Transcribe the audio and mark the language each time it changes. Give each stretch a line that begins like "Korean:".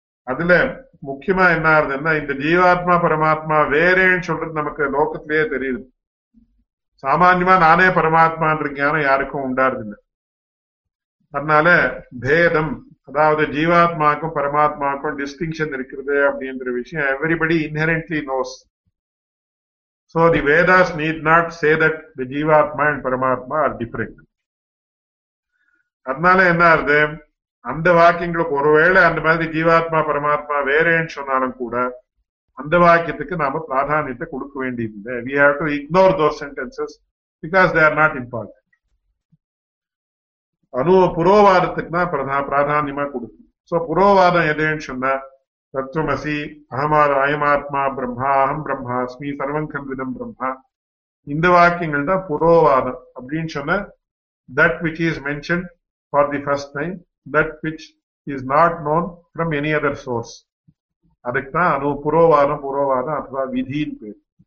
Tamil: அதுல முக்கியமா என்ன ஆகுதுன்னா, இந்த ஜீவாத்மா பரமாத்மா வேறேன்னு சொல்றது நமக்கு லோகத்திலேயே தெரியுது. சாமான்யமா நானே பரமாத்மான்ற ஞானம் யாருக்கும் உண்டாருதில்லை. அதனால பேதம், அதாவது ஜீவாத்மாக்கும் பரமாத்மாக்கும் டிஸ்டிங்ஷன் இருக்கிறது அப்படின்ற விஷயம்
English: Everybody inherently knows. So the Vedas need not say that the Jeevatma and Paramatma are different.
Tamil: அதனால என்ன ஆகுது, அந்த வாக்கியங்களுக்கு ஒருவேளை அந்த மாதிரி ஜீவாத்மா பரமாத்மா வேறேன்னு சொன்னாலும் கூட அந்த வாக்கியத்துக்கு நாம பிராதானியத்தை கொடுக்க வேண்டியதில்லை.
English: We have to ignore those sentences because they are not important.
Tamil: அனு புரோவாதத்துக்கு தான் பிராதானியமா கொடுக்கும். சோ புரோவாதம் எதுன்னு சொன்னா, தத்துவமசி அகமார் அயமாத்மா பிரம்மா அகம் பிரம்மா அஸ்மி சர்வம் கல்விதம் பிரம்மா, இந்த வாக்கியங்கள் தான் புரோவாதம் அப்படின்னு சொன்ன.
English: that which is mention for the first time, that which is not known from any other source,
Tamil: அதுக்கு தான் அனு புரோவாதம் புரோவாதம் அதுவா விதின்னு பேர்.